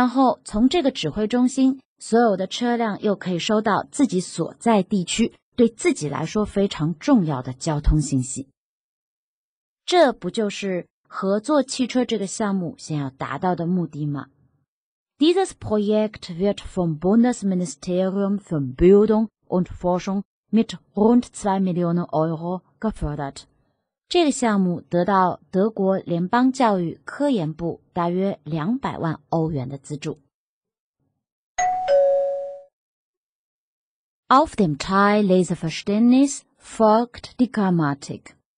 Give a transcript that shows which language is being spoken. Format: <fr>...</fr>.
<zh>人们希望终有一天，在马路上行驶的每一辆车辆都可以收集重要的路面或者交通信息，并将这些收集到的重要信息发送给一个指挥中心，然后从这个指挥中心。所有的车辆又可以收到自己所在地区对自己来说非常重要的交通信息。这不就是合作汽车这个项目想要达到的目的吗?</zh> <de>Dieses Projekt wird vom Bundesministerium für Bildung und Forschung mit rund 2 Millionen Euro gefördert.</de> <zh>这个项目得到德国联邦教育科研部大约200万欧元的资助。</zh> <de>Auf dem Teil Leseverständnis folgt die Grammatik.</de>